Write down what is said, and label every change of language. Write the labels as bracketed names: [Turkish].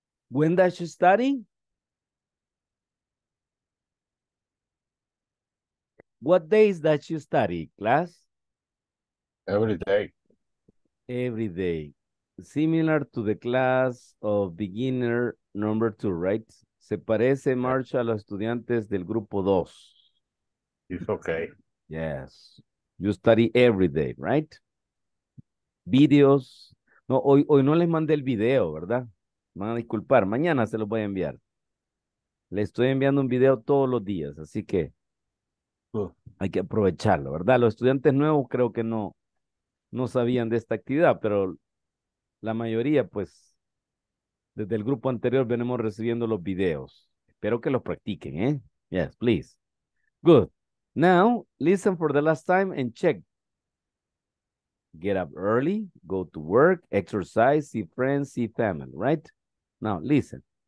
[English] When does she study? What days does she study, class? Every day. Every day. Similar to the class of beginner number 2, right? [Spanish] Se parece, Marcia, a los estudiantes del grupo 2. [English] It's okay. Yes. You study every day, right? Videos. [Spanish] No, hoy no les mandé el video, ¿verdad? Van a disculpar. Mañana se los voy a enviar. Le estoy enviando un video todos los días, así que hay que aprovecharlo, ¿verdad? Los estudiantes nuevos creo que no, no sabían de esta actividad, pero la mayoría, pues, desde el grupo anterior venimos recibiendo los videos. Espero que los practiquen, ¿eh? [English] Yes, please. Good. Now, listen for the last time and check. Get up early, go to work, exercise, see friends, see family, right? Now, listen.